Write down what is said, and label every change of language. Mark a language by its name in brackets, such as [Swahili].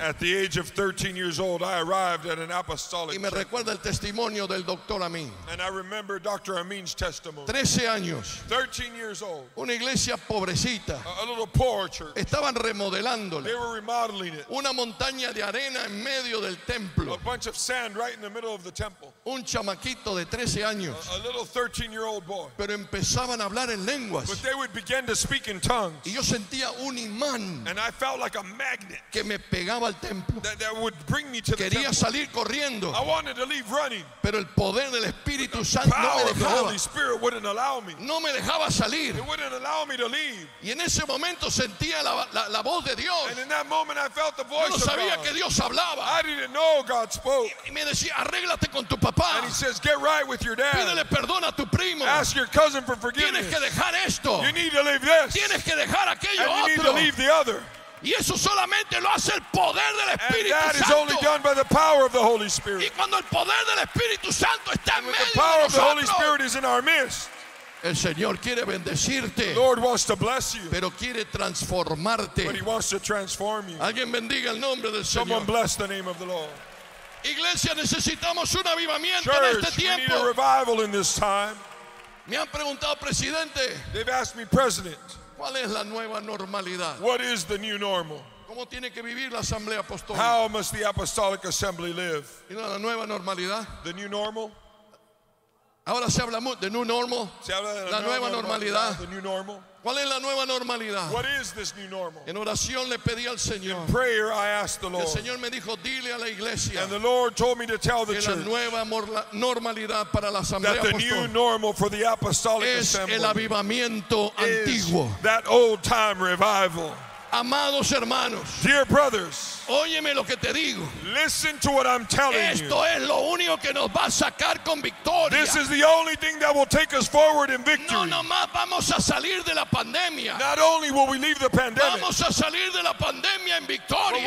[English] At the age of 13 years old, I arrived at an apostolic. [Spanish] Y me recuerda el testimonio del doctor Amin. [English] And I remember Dr. Amin's testimony. [Spanish] 13 años. [English] 13 years old. [Spanish] Una iglesia pobrecita. [English] A little poor church. [Spanish] Estaban remodelándola. [English] They were remodeling it. [Spanish] Una montaña de arena en medio del templo. [English] A bunch of sand right in the middle of the temple. [Spanish] Un chamaquito de 13 años. [English] A little 13-year-old boy. [Spanish] Pero empezaban a hablar en lenguas. [English] But they would begin to speak in tongues. [Spanish] Y yo sentí un imán que me pegaba al templo. Quería salir corriendo, pero el poder del Espíritu Santo no me dejaba salir. Y en ese momento sentía la voz de Dios. Yo no sabía que Dios hablaba. Y me decía, arréglate con tu papá. Pídele perdón a tu primo. Tienes que dejar esto. Tienes que dejar aquello. [English] And you need to leave the other. [Spanish] Y eso solamente lo hace el poder del Espíritu Santo. [English] And that is only done by the power of the Holy Spirit. [Spanish] Y cuando el poder del Espíritu Santo está en medio de nosotros, [English] the power of the Holy Spirit is in our midst. [Spanish] El Señor quiere bendecirte. [English] The Lord wants to bless you. [Spanish] Pero quiere transformarte. [English] But he wants to transform you. [Spanish] Alguien bendiga el nombre del [English] Someone [Spanish] Señor. [English] Bless the name of the Lord. [Spanish] Iglesia, necesitamos un avivamiento. [English] Church, [Spanish] en este tiempo. [English] We need a revival in this time. [Spanish] Me han preguntado, presidente. [English] They've asked me, president. [Spanish] ¿Cuál es la nueva normalidad? [English] What is the new normal? [Spanish] ¿Cómo tiene que vivir la asamblea apostólica? [English] How must the apostolic assembly live? [Spanish] ¿Y no, la nueva normalidad? [English] The new normal? [Spanish] Ahora se habla mucho de [English] new normal. [Spanish] Se habla de la nueva normalidad. [English] The new normal? [Spanish] ¿Cuál es la nueva normalidad? [English] What is this new normal? [Spanish] En oración le pedí al Señor. [English] In prayer I asked the Lord. [Spanish] El Señor me dijo, dile a la iglesia. [English] And the Lord told me to tell the church. [Spanish] La nueva normalidad para la asamblea apostólica. [English] That the new normal for the apostolic assembly. [Spanish] Es el avivamiento antiguo. [English] That old time revival. [Spanish] Amados hermanos, [English] dear brothers, [Spanish] óyeme lo que te digo. [English] Listen to what I'm telling you. [Spanish] Esto es lo único que nos va a sacar con victoria. [English] This is the only thing that will take us forward in victory. [Spanish] No, no más vamos a salir de la pandemia. [English] Not only will we leave the pandemic, [Spanish] vamos a salir de la pandemia en victoria.